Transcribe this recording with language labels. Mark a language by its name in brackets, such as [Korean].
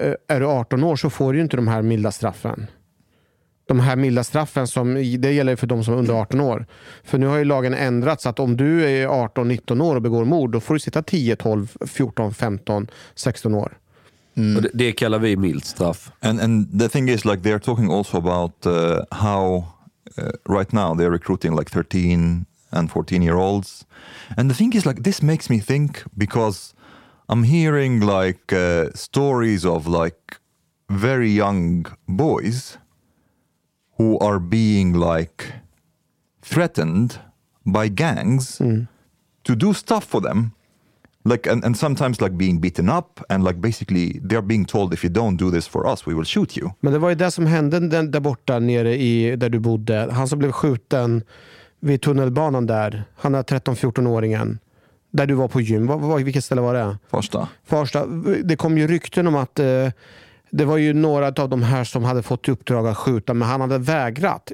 [Swedish] Är du 18 år så får du ju inte de här milda straffen. De här milda straffen, som det gäller för de som är under 18 år. För nu har ju lagen ändrats att om du är 18-19 år och begår mord, då får du sitta 10, 12, 14, 15, 16 år. Mm. Och det kallar vi mild straff. [English] And the thing is, like, they're talking also about how right now they're recruiting like 13 and 14 year olds. And the thing is, like, this makes me think, because I'm hearing like stories of like very young boys who are being like threatened by gangs to do stuff for them, like and sometimes like being beaten up, and like basically they're being told, if you don't do this for us, we will shoot you. [Swedish] Men det var ju det som hände där borta nere i där du bodde, han som blev skjuten vid tunnelbanan där, han är 13-14 åringen där du var på gym. Vilket ställe var det? Första. Det kom ju rykten om att det var ju några av de här som hade fått uppdrag att skjuta, men han hade vägrat.